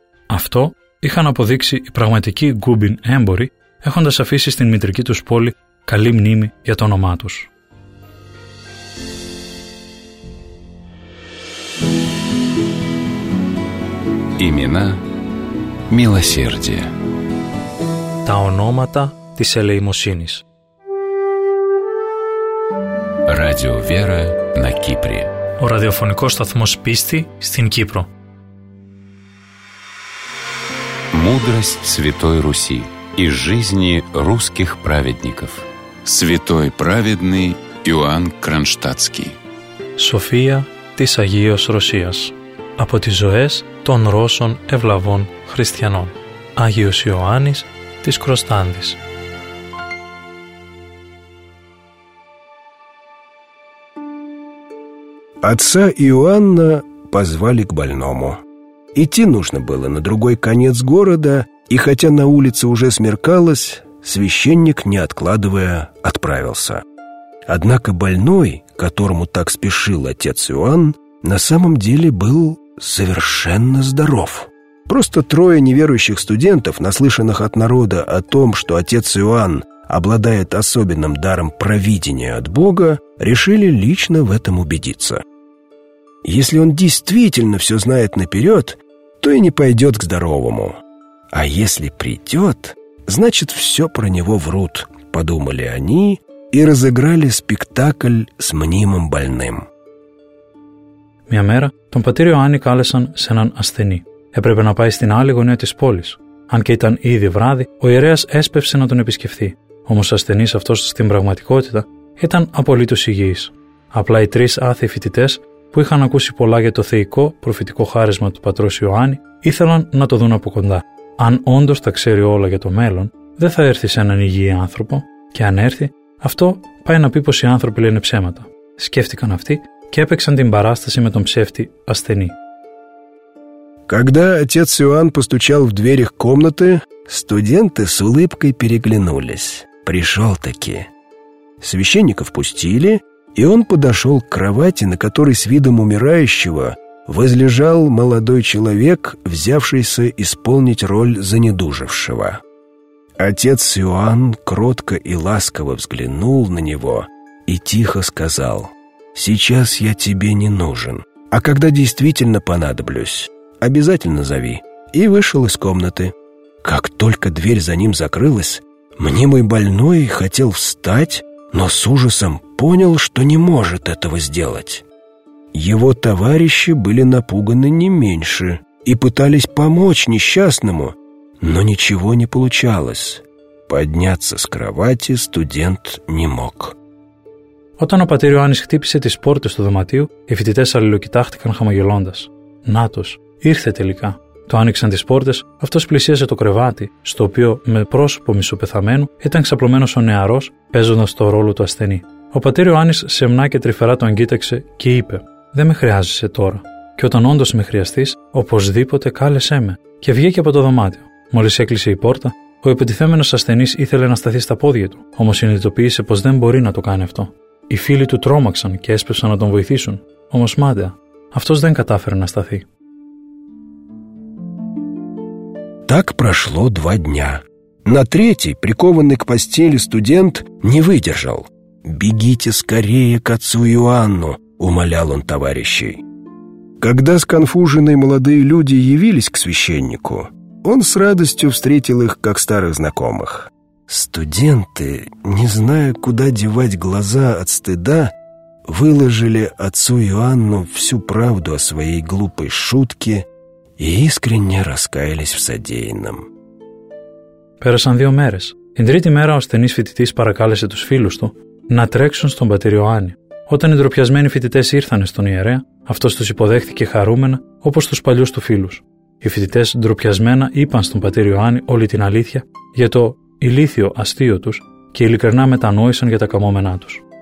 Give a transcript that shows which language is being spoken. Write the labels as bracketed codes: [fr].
[el] Αυτό είχαν αποδείξει οι πραγματικοί Γκούμπιν έμποροι, έχοντας αφήσει στην μητρική τους πόλη καλή μνήμη για το όνομά τους. [ru] Имена милосердия. [el] Τα ονόματα της ελεημοσύνης. [ru] Radio Vera на Кипре. [el] Ο ραδιοφωνικός σταθμός πίστη στην Κύπρο. [ru] Мудрость Святой Руси. Из жизни русских праведников. Святой праведный Иоанн Кронштадтский. [el] Σοφία της Αγίας Ρωσίας. Από τις ζωές των Ρώσων ευλαβών χριστιανών. Άγιος Ιωάννης της Κροστάνδης. [ru] Отца Иоанна позвали к больному. Идти нужно было на другой конец города, и хотя на улице уже смеркалось, священник, не откладывая, отправился. Однако больной, которому так спешил отец Иоанн, на самом деле был совершенно здоров. Просто трое неверующих студентов, наслышанных от народа о том, что отец Иоанн обладает особенным даром провидения от Бога, решили лично в этом убедиться. Если он действительно все знает наперед, то и не пойдет к здоровому. А если придет, значит, все про него врут, подумали они и разыграли спектакль с мнимым больным. [el] Μια μέρα τον πατήρ Ιωάννη κάλεσαν σε έναν ασθενή. Έπρεπε να πάει στην άλλη γωνία της πόλης. Αν και ήταν ήδη βράδυ, ο ιερέας έσπευσε να τον επισκεφθεί. Όμως ο ασθενής αυτός στην πραγματικότητα ήταν απολύτως υγιής. Απλά οι τρεις άθεοι φοιτητές που είχαν ακούσει πολλά για το θεϊκό προφητικό χάρισμα του πατρός Ιωάννη ήθελαν να το δουν από κοντά. Αν όντως τα ξέρει όλα για το μέλλον, δεν θα έρθει σε έναν υγιή άνθρωπο, και αν έρθει, αυτό πάει να πει πως οι άνθρωποι λένε ψέματα. Σκέφτηκαν αυτοί και έπαιξαν την παράσταση με τον ψεύτη ασθενή. [ru] Когда отец Иоанн постучал в дверь их комнаты, студенты с улыбкой переглянулись. Пришел-таки. Священника впустили, и он подошел к кровати, на которой с видом умирающего возлежал молодой человек, взявшийся исполнить роль занедужившего. Отец Иоанн кротко и ласково взглянул на него и тихо сказал: «Сейчас я тебе не нужен, а когда действительно понадоблюсь, обязательно зови». И вышел из комнаты. Как только дверь за ним закрылась, мне мой больной хотел встать, но с ужасом понял, что не может этого сделать. Его товарищи были напуганы не меньше и пытались помочь несчастному, но ничего не получалось. Подняться с кровати студент не мог. [el] Όταν ο πατήρ Ιωάννης χτύπησε τις πόρτες του δωματίου, οι φοιτητές αλληλοκοιτάχτηκαν χαμογελώντας. «Νάτος, ήρθε τελικά». Το άνοιξαν τις πόρτες, αυτός πλησίασε το κρεβάτι, στο οποίο με πρόσωπο μισοπεθαμένου ήταν ξαπλωμένος ο νεαρός, παίζοντας το ρόλο του ασθενή. Ο πατήρ Ιωάννης σεμνά και τρυφερά το αγκοίταξε και είπε: «Δεν με χρειάζεσαι τώρα. Και όταν όντως με χρειαστείς, οπωσδήποτε κάλεσέ με». Και βγήκε από το δωμάτιο. Μόλις έκλεισε η πόρτα, ο επιτιθέμενος ασθενής ήθελε να σταθεί στα πόδια του, όμως συνειδητοποίησε πως δεν μπορεί να το κάνει αυτό. Οι φίλοι του τρόμαξαν και έσπευσαν να τον βοηθήσουν, όμως μάταια, αυτός δεν κατάφερε να σταθεί. [ru] Так прошло два дня. На третий, прикованный к постели студент, не выдержал. «Бегите скорее к отцу Иоанну», — умолял он товарищей. Когда сконфуженные молодые люди явились к священнику, он с радостью встретил их, как старых знакомых. Студенты, не зная, куда девать глаза от стыда, выложили отцу Иоанну всю правду о своей глупой шутке и искренне раскаялись в содеянном. [el] Пέρασαν δύο μέρες. Την τρίτη μέρα ο ασθενής φοιτητής παρακάλεσε τους φίλους του να τρέξουν στον πατήρ Ιωάννη. Όταν οι ντροπιασμένοι φοιτητές ήρθαν στον ιερέα, αυτός τους υποδέχθηκε χαρούμενα όπως τους παλιούς του φίλους. Οι φοιτητές ντροπιασμένα είπαν στον πατήρ Ιωάννη όλη την αλήθεια για το ηλίθιο αστείο τους και ειλικρινά μετανόησαν για τα καμώμενά τους.